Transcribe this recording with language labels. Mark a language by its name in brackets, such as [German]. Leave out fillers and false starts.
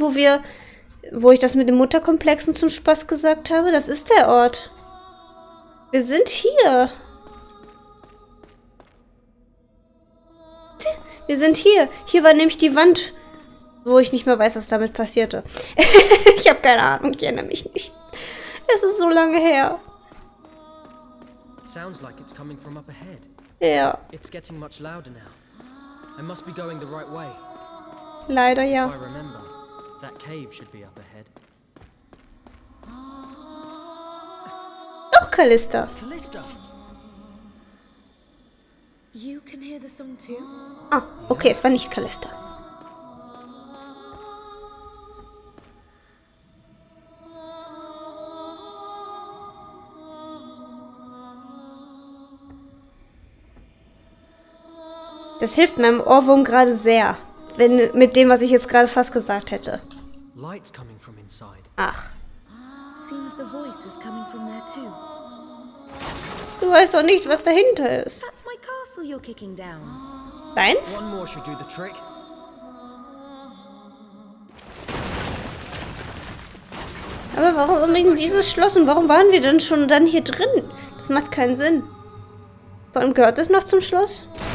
[German] Wo ich das mit den Mutterkomplexen zum Spaß gesagt habe? Das ist der Ort. Wir sind hier. Wir sind hier. Hier war nämlich die Wand, wo ich nicht mehr weiß, was damit passierte. Ich habe keine Ahnung, ich erinnere mich nicht. Es ist so lange her. [English] Sounds like it's coming from up ahead. [German] Ja. [English] It's getting much louder now. I must be going the right way. [German] Leider ja. [English] If I remember, that cave should be up ahead. [German] Doch, Callista. Callista. [English] You can hear the song too? [German] Ah, okay, es war nicht Callista. Das hilft meinem Ohrwurm gerade sehr, wenn mit dem, was ich jetzt gerade fast gesagt hätte. [English] Light's coming from inside. [German] Ach. [English] Seems the voice is coming from there too. [German] Du weißt doch nicht, was dahinter ist. [English] That's my castle you're kicking down. [German] Deins? [English] One more should do the trick. [German] Aber warum wegen dieses Schloss und warum waren wir denn schon dann hier drin? Das macht keinen Sinn. Vor allem gehört das noch zum Schloss?